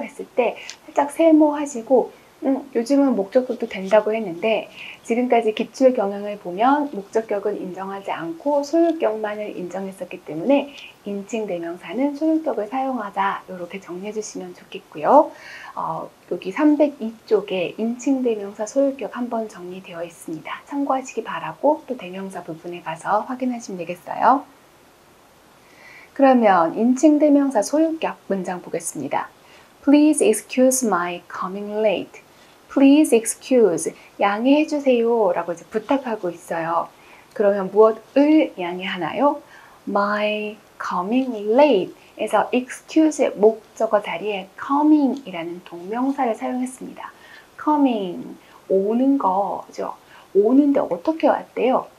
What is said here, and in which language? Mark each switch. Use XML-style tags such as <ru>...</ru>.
<ko>했을 때 살짝 세모하시고 요즘은 목적격도 된다고 했는데 지금까지 기출 경향을 보면 목적격은 인정하지 않고 소유격만을 인정했었기 때문에 인칭 대명사는 소유격을 사용하자 이렇게 정리해 주시면 좋겠고요. 여기 302쪽에 인칭 대명사 소유격 한번 정리되어 있습니다. 참고하시기 바라고 또 대명사 부분에 가서 확인하시면 되겠어요. 그러면 인칭 대명사 소유격 문장 보겠습니다.</ko> <en>Please excuse my coming late. Please excuse,</en> <ko>양해해 주세요 라고 이제 부탁하고 있어요. 그러면 무엇을 양해하나요?</ko> <en>My coming late</en> <ko>에서 excuse의 목적어 자리에 coming 이라는 동명사를 사용했습니다. Coming, 오는 거죠. 오는데 어떻게 왔대요?</ko>